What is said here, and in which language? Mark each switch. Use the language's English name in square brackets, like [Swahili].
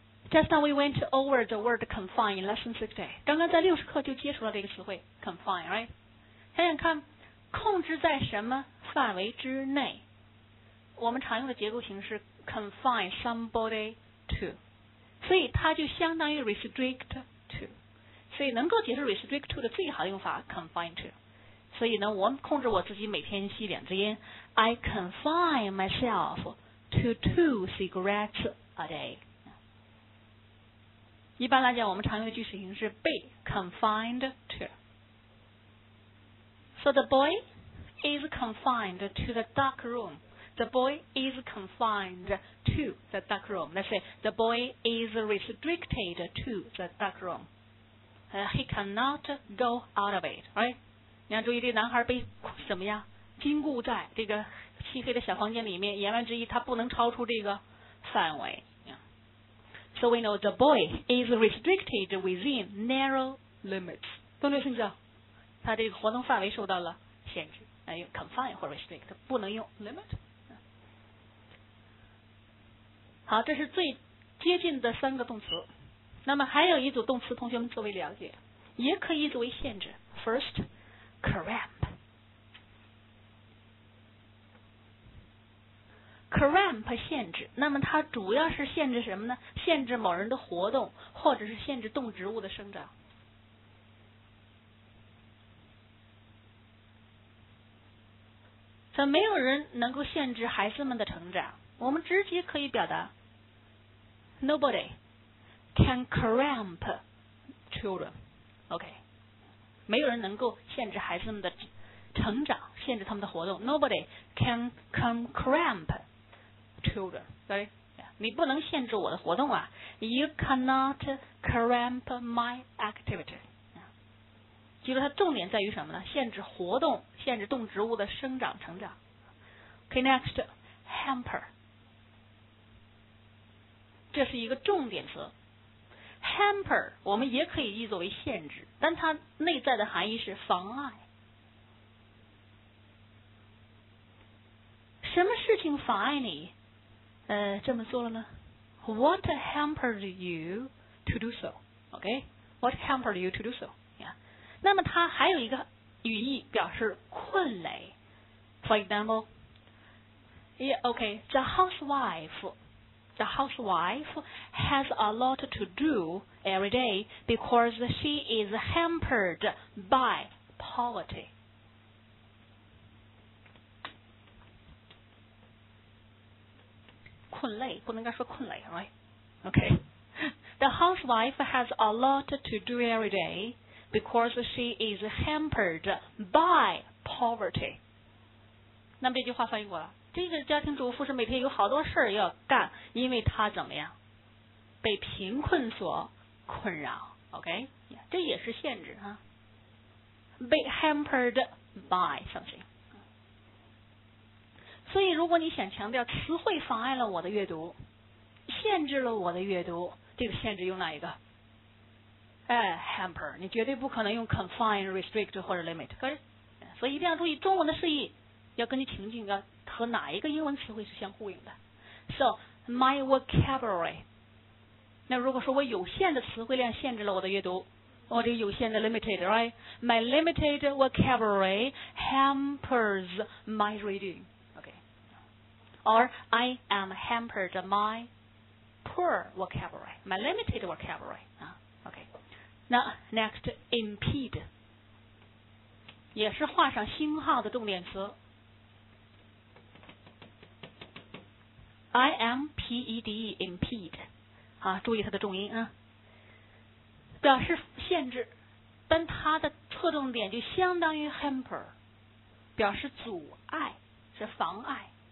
[English] Just now we went over the word confine in lesson 6A. [Chinese] 刚刚在60课就接触了这个词汇 confine, right? 想想看，控制在什么范围之内？我们常用的结构形式 confine somebody to, 所以它就相当于 restrict to. 所以能够解释 restrict to 的最好的用法 confine to. 所以呢，我控制我自己每天吸两支烟 ， [English] I confine myself to 2 cigarettes a day. [Chinese] 一般来讲，我们常用的句式形式是 be confined to. [English] So the boy is confined to the dark room. The boy is confined to the dark room. Let's say the boy is restricted to the dark room. He cannot go out of it. Right? [Chinese] 你要注意，这个男孩被怎么样？禁锢在这个漆黑的小房间里面。言外之意，他不能超出这个范围。 [English] So we know the boy is restricted within narrow limits. [Chinese] 懂没有，听着？他这个活动范围受到了限制。哎，用 confine 或 restrict 不能用 limit。好，这是最接近的三个动词。那么还有一组动词，同学们作为了解，也可以作为限制。 [English] First, cramp. [Chinese] Cramp 限制，那么它主要是限制什么呢？限制某人的活动，或者是限制动植物的生长。所以没有人能够限制孩子们的成长。我们直接可以表达 ， [English] Nobody can cramp children. [Chinese] OK， 没有人能够限制孩子们的成长，限制他们的活动。 [English] Nobody can come cramp. Children, right? Yeah. [Chinese] 你不能限制我的活动啊。 [English] You cannot cramp my activity. [Chinese] 记住它重点在于什么呢？限制活动，限制动植物的生长成长。 Okay, next, hamper. 这是一个重点词。 Hamper 我们也可以译作为限制，但它内在的含义是妨碍。什么事情妨碍你？这么做了呢 [English] ？What hampered you to do so? OK, what hampered you to do so? Yeah. [Chinese] 那么它还有一个语义表示困累。 [English] For example, yeah, OK, the housewife has a lot to do every day because she is hampered by poverty. [Chinese] 困累，不能该说困累 ，right? [English] OK. The housewife has a lot to do every day because she is hampered by poverty. [Chinese] 那么这句话翻译过来，这个家庭主妇是每天有好多事儿要干，因为她怎么样，被贫困所困扰。 OK， 这也是限制啊。 [English] Be hampered by something. [Chinese] 所以如果你想强调词汇妨碍了我的阅读，限制了我的阅读，这个限制用哪一个？哎 ，hamper， 你绝对不可能用 confine, restrict 或者 limit， 可是，所以一定要注意中文的释义，要根据情境啊和哪一个英文词汇是相呼应的。 [English] So my vocabulary， [Chinese] 那如果说我有限的词汇量限制了我的阅读，我这个有限的 limited， right？ [English] My limited vocabulary hampers my reading。 Or I am hampered my poor vocabulary, my limited vocabulary. Okay. [Chinese] Now next, impede, 也是画上星号的动点词。 I-M-P-E-D-E, impede. 啊，注意它的重音啊。表示限制，但它的侧重点就相当于 hamper， 表示阻碍，是妨碍。